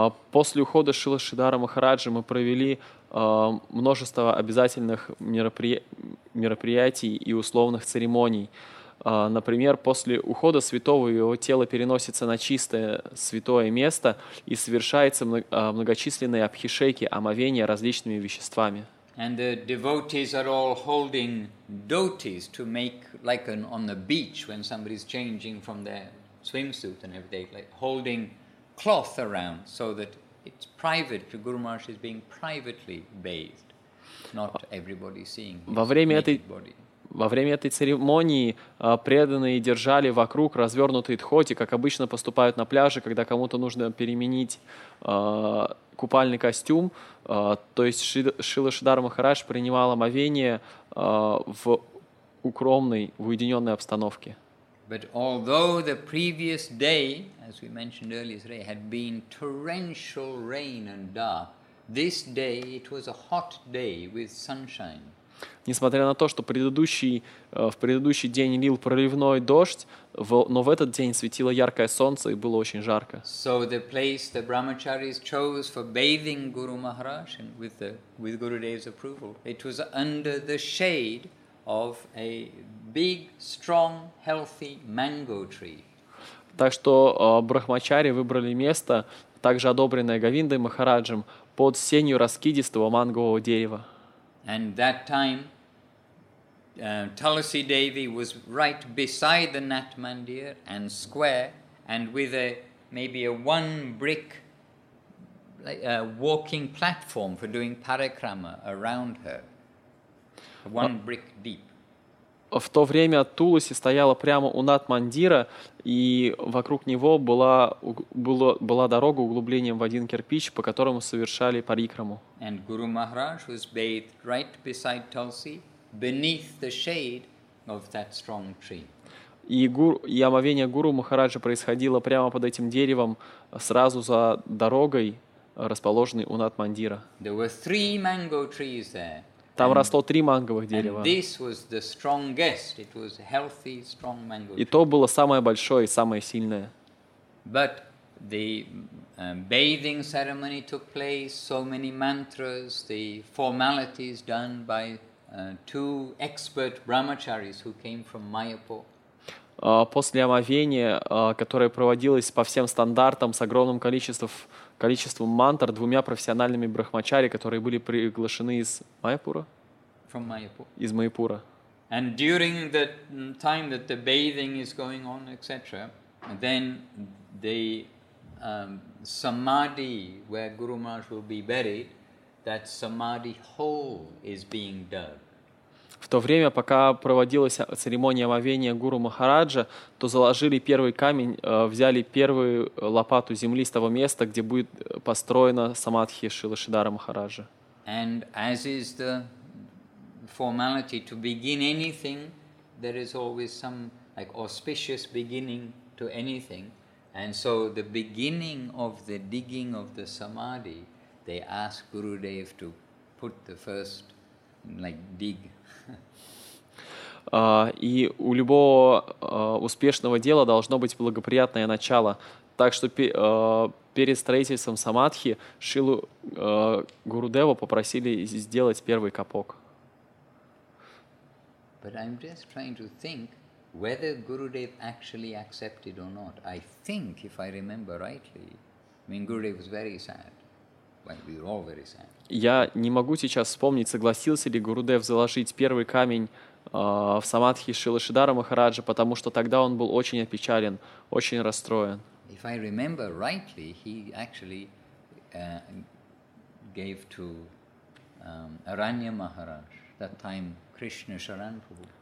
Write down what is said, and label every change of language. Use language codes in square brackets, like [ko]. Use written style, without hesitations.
[ru] После ухода Шрилы Шридхара Махараджа мы провели множество обязательных мероприятий и условных церемоний. Например, после ухода святого его тело переносится на чистое святое место и совершаются многочисленные абхишеки, омовения различными веществами. [en] And the devotees are all holding dhotis to make like an, on the beach when somebody's changing from their swimsuit and everything, like holding cloth around so that it's private, because Guru Maharaj is being privately bathed, not everybody seeing his body. [ru] Во время этой церемонии преданные держали вокруг развернутые дхоти, как обычно поступают на пляже, когда кому-то нужно переменить купальный костюм. То есть Шрила Шридхара Махарадж принимал омовение в укромной, в уединенной обстановке. [en] But although the previous day, as we mentioned earlier, had been torrential rain and dark, this day it was a hot day with sunshine. [ru] Несмотря на то, что в предыдущий день лил проливной дождь, но в этот день светило яркое солнце и было очень жарко. [en] So the place the brahmacharis chose for bathing Guru Maharaj with Gurudev's approval, it was under the shade of a big, strong, healthy mango tree. [ru] Так что брахмачари выбрали место, также одобренное Говиндой Махараджем, под сенью раскидистого мангового дерева. [en] And that time, Tulasi Devi was right beside the Nat Mandir and square, and with maybe a one brick walking platform for doing parikrama around her, one brick deep. [ru] В то время Туласи стояла прямо у Нат Мандира, и вокруг него была дорога углублением в один кирпич, по которому совершали парикраму. [en] And Guru Maharaj was bathed right beside Tulsi, beneath the shade of that strong tree. [ru] И омовение Гуру Махараджа происходило прямо под этим деревом, сразу за дорогой, расположенной у Нат Мандира. [en] There were three mango trees there. [ru] Там росло три манговых дерева. [en] And this was the strongest. It was healthy, strong mango tree. [ru] И то было самое большое и самое сильное. [en] But the bathing ceremony took place, so many mantras, the formalities done by two expert brahmacharis who came from Mayapur. [ru] После омовения, которое проводилось по всем стандартам, с огромным количеством мантр, двумя профессиональными брахмачари, которые были приглашены из Майяпура? [en] From Mayapur. [ru] Из Майяпура. [en] And during the time that the bathing is going on, etc., then the samadhi where Guru Maharaj will be buried, that samadhi hole is being dug. [ru] В то время, пока проводилась церемония омовения Гуру Махараджа, то заложили первый камень, взяли первую лопату земли с того места, где будет построена самадхи Шрилы Шридхара Махараджа. [en] And as is the formality to begin anything, there is always some like auspicious beginning to anything. And so the beginning of the digging of the samadhi, they ask Gurudev to put the first like dig. [ru] И у любого успешного дела должно быть благоприятное начало. Так что перед строительством самадхи Шрилу Гурудеву попросили сделать первый капок. [en] But I'm just trying to think whether Gurudev actually accepted or not. I think, if I remember rightly, I mean, Gurudev was very sad. Like, we were all very sad. [ru] Я не могу сейчас вспомнить, согласился ли Гурудев заложить первый камень в самадхи Шрилы Шридхара Махараджа, потому что тогда он был очень опечален, очень расстроен. [en] If I remember rightly, he actually gave to Aranya Maharaj, that time Krishna Sharan Prabhu.